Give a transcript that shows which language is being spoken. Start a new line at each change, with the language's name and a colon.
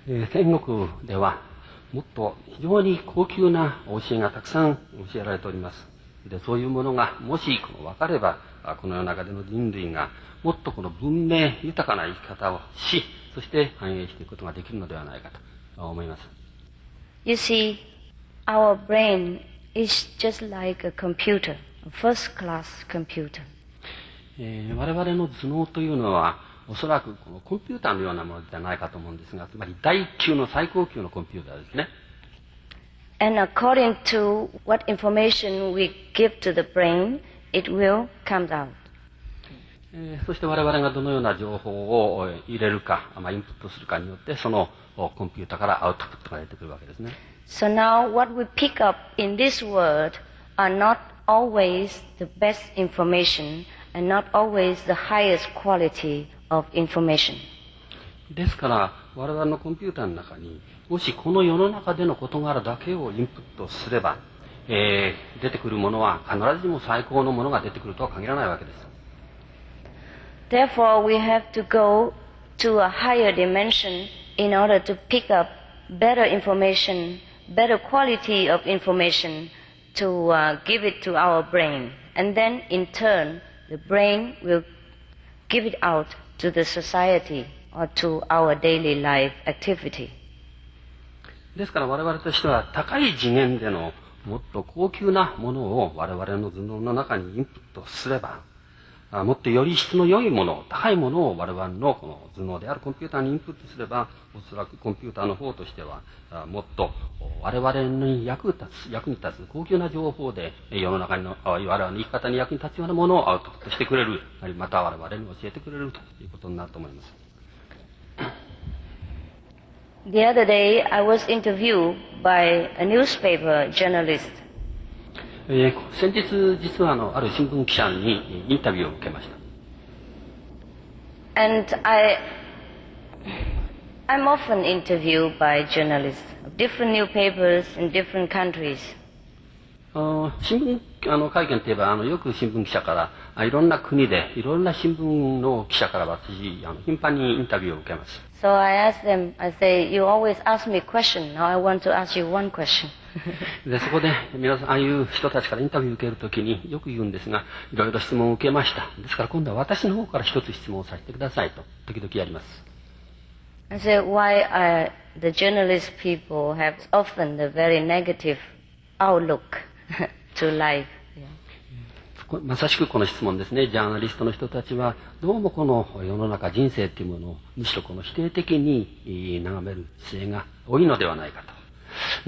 Japanese: 天国ではもっと非常に高級な教えがたくさん教えられております。で、そういうものがもし分かれば、この世の中での人類がもっとこの文明豊かな生き方をし、そして繁栄していくことができるのではないかと思います。
English: You see, our brain is just like a computer, a first-class computer.
Japanese: 我々の頭脳というのは、おそらくこのコンピューターのようなものではないかと思うんですが、つまり第一級の最高級のコンピューターですね。
English: And according to what information we give to the brain, it will come out.
Japanese: そして我々がどのような情報を入れるか、まあ、インプットするかによって、そのコンピューターからアウトプットが出てくるわけですね。
English: So now what we pick up in this world are not always the best information and not always the highest quality of information.
Japanese: ですから我々のコンピューターの中に、もしこの世の中での事柄だけをインプットすれば、出てくるものは必ずしも最高のものが出てくるとは限らないわけです。
English: Therefore, we have to go to a higher dimension in order to pick up better information, better quality of information to give it to our brain. And then, in turn, the brain will give it out to the society or to our daily life activity.
Japanese: ですから我々としては高い次元でのもっと高級なものを我々の頭脳の中にインプットすれば、もっとより質の良いもの、高いものを我々のこの頭脳であるコンピューターにインプットすれば、おそらくコンピューターの方としてはもっと我々に役に立つ高級な情報で世の中の我々の生き方に役に立つようなものをアウトプットしてくれる、また我々に教えてくれるということになると思います。
English: The other day, I was interviewed by a newspaper journalist.
Japanese: 先日実はある新聞記者にインタビューを受けました。
English: And I'm often interviewed by journalists of different newspapers in different countries.
Japanese: 新聞会見といえばよく新聞記者からいろんな国でいろんな新聞の記者から私頻繁にインタビューを受けます。
English: So I ask them, I say, you always ask me questions, now I want to ask you one question.
Japanese: で、そこで皆さん、ああいう人たちからインタビューを受けるときによく言うんですが、いろいろ質問を受けました。ですから今度は私の方から一つ質問をさせてくださいと時々やります。
English: I say, why are the journalist people have often the very negative outlook to life?
Japanese: まさしくこの質問ですね。ジャーナリストの人たちはどうもこの世の中、人生というものをむしろこの否定的に眺める姿勢が多いのではないかと。